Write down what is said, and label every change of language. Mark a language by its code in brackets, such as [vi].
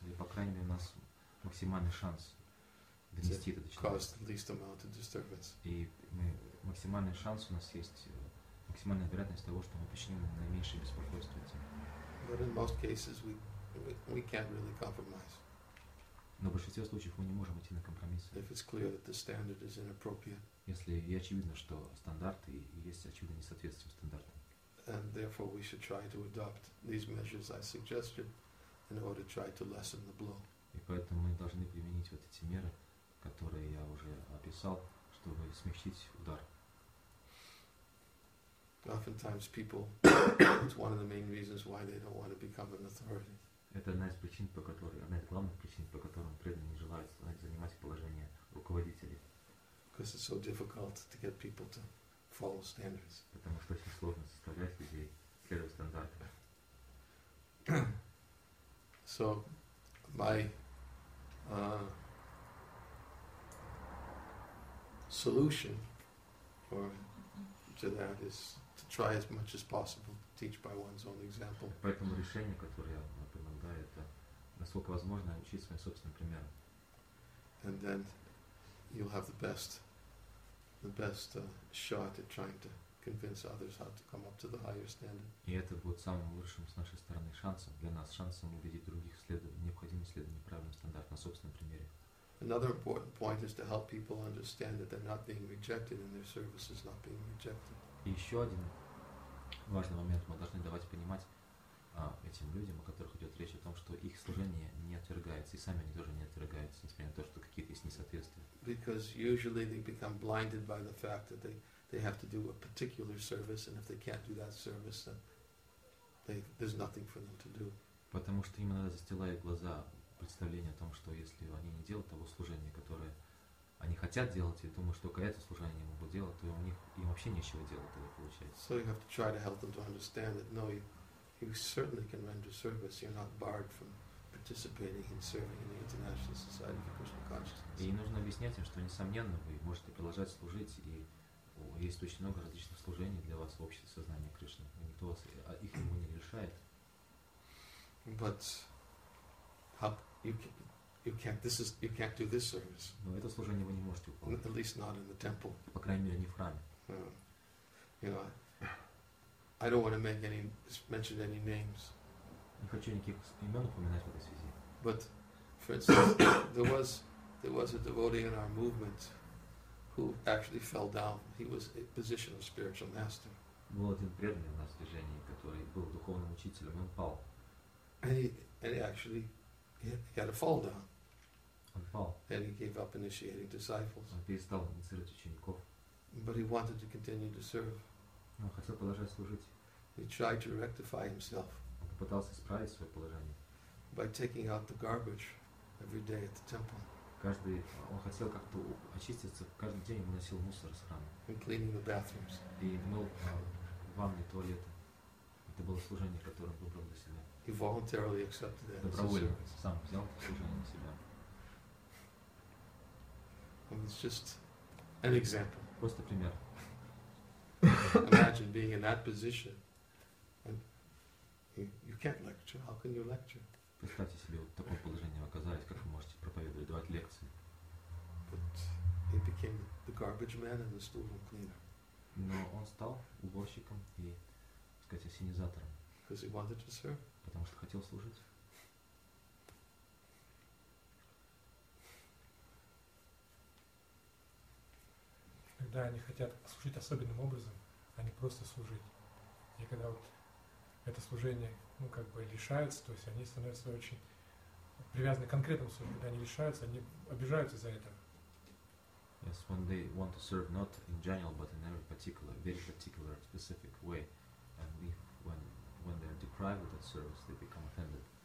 [ru] Или, по крайней мере, у нас максимальный шанс донести это до человека. [en] Cause the least amount of disturbance. [ru] И максимальный шанс у нас есть, максимальная вероятность того, что мы причиним ему наименьшее беспокойство этим. [en] But in most cases we can't really compromise. [ru] Но в большинстве случаев мы не можем идти на компромиссы. [en] If it's clear that the standard is inappropriate. [ru] Если и очевидно, что стандарты, и есть очевидное несоответствие стандартам. [en] And therefore we should try to adopt these measures I suggested in order to try to lessen the blow. [ru] И поэтому мы должны применить вот эти меры, которые я уже описал, чтобы смягчить удар. [en] Oftentimes people, it's one of the main reasons why they don't want to become an authority. [ru] Это одна из причин, по которой, одна из главных причин, по которым преданные не желают занимать положение руководителей. [en] Because it's so difficult to get people to follow standards. [ru] Потому что очень сложно заставлять людей следовать стандартам. [en] So, my solution or to that is to try as much as possible to teach by one's own example. [ru] Поэтому решение, которое я вам предлагаю, это насколько возможно учить своим собственным примером. [en] And then you'll have the best shot at trying to convince others how to come up to the higher standard. [ru] И это будет самым лучшим с нашей стороны шансом для нас, шансом убедить других следовать необходимому следованию правильному стандарту на собственном примере. [en] Another important point is to help people understand that they're not being rejected and their service is not being rejected. [ru] И еще один важный момент мы должны давать понимать этим людям, о которых идет речь, о том, что их служение не отвергается, и сами они тоже не отвергаются, несмотря на то, что какие-то есть несоответствия. [en] Because usually they become blinded by the fact that they have to do a particular service, and if they can't do that service, then there's nothing for them to do. [ru] Потому что им надо застилать глаза представление о том, что если они не делают того служения, которое они хотят делать, и думают, что какое-то служение они могут делать, то у них им вообще нечего делать, тогда получается. [en] So you have to try to help them to understand that, no, you certainly can render service, you're not barred from participating in serving in the International Society for Krishna Consciousness. [ru] И им нужно объяснять им, что, несомненно, вы можете продолжать служить, и есть очень много различных служений для вас в обществе сознания Кришны. И никто вас их ему не лишает. [en] But you can't do this service. [ru] Но это служение вы не можете выполнить. [en] At least not in the temple. [ru] По крайней мере, не в храме. [en] You know, I don't want to mention any names. [ru] Не хочу никаких имен упоминать в этой связи. [en] But, for instance, there was a devotee in our movement who actually fell down. He was a position of spiritual master. [ru] Был один преданный в нашем движении, который был духовным учителем, он пал. [en] And he actually he had a fall down. [ru] Он пал. [en] And he gave up initiating disciples. [ru] Он перестал инициировать учеников. [en] But he wanted to continue to serve. [ru] Он хотел продолжать служить. [en] He tried to rectify himself. [ru] Он попытался исправить свое положение. [en] By taking out the garbage every day at the temple. [ru] Он хотел как-то очиститься. Каждый день он носил мусор из храма. [en] And cleaning the bathrooms. [ru] И мыл ванны, туалеты. Это было служение, которое он выбрал для себя. [en] He voluntarily accepted that. [ru] Добровольно сам взял служение на себя. [en] It's just an example. [ru] Просто пример. [en] Imagine being in that position, and you can't lecture. How can you lecture? [ru] Представьте себе, вот в таком положении вы оказались, как вы можете проповедовать, давать лекции? [en] But he became the garbage man and the storeroom cleaner. [ru] Но он стал уборщиком и, так сказать, ассенизатором. [en] Because he wanted to serve. [ru] Потому что хотел служить. Когда они хотят служить особенным образом, а не просто служить. И когда вот это служение, ну, как бы лишается, то есть они становятся очень привязаны к конкретному служению. Когда они лишаются, они обижаются за это. [en] Yes, when they want to serve not in general, but in every particular, very particular, specific way, and we when they are deprived of that service, they become offended.